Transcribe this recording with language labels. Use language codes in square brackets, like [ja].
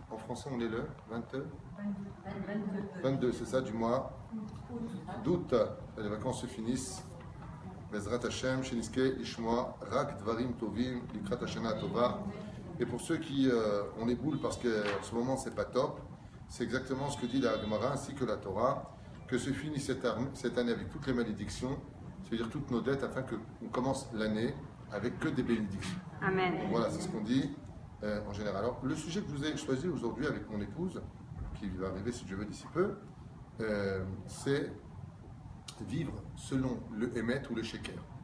[fr] En français on est le 22, c'est ça, du mois d'août. Les vacances se finissent. [he] בעזרת השם שנזכה לשמוע רק דברים טובים לקראת השנה הטובה. [fr] Et pour ceux qui ont les boules parce que en ce moment c'est pas top, c'est exactement ce que dit la Gemara ainsi que la Torah, que se finit cette année avec toutes les malédictions, c'est-à-dire toutes nos dettes, afin qu'on commence l'année avec que des bénédictions. Amen. Donc voilà, c'est ce qu'on dit en général. Alors, le sujet que vous avez choisi aujourd'hui avec mon épouse, qui va arriver si Dieu veut d'ici peu, c'est vivre selon le Emet ou le Sheker.